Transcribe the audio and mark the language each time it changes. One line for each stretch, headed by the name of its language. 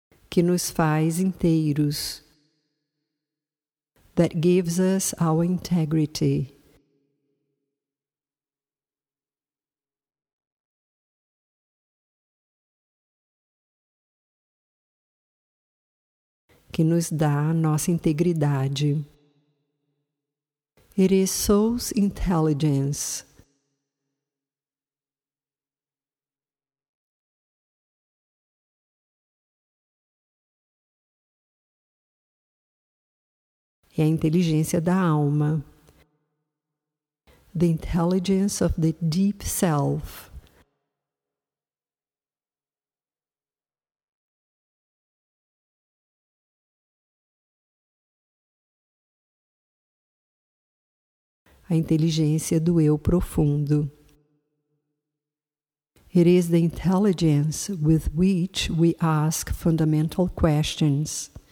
Portuguese: Que nos faz inteiros,
English: that gives us our integrity.
Portuguese: Que nos dá nossa integridade.
English: It is soul's intelligence.
Portuguese: É a inteligência da alma.
English: The intelligence of the deep self.
Portuguese: A inteligência do eu profundo.
English: It is the intelligence with which we ask fundamental questions.